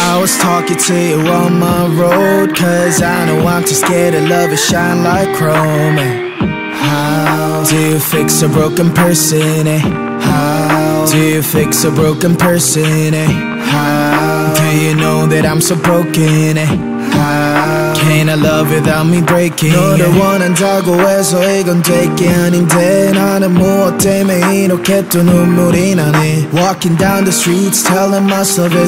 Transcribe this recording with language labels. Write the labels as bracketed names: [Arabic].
[English] I was talking to you on my road, cause I know I'm too scared of love, it shine like chrome. How do you fix a broken person, eh? Do you fix a broken person, eh? How? Do you know that I'm so broken, eh? How? Can't I love without me breaking? [Korean] 너를 원한다고 해서 이건 되게 아닌데 나는 무엇 때문에 이렇게 또 눈물이 나네. [English] Walking down the streets telling myself it's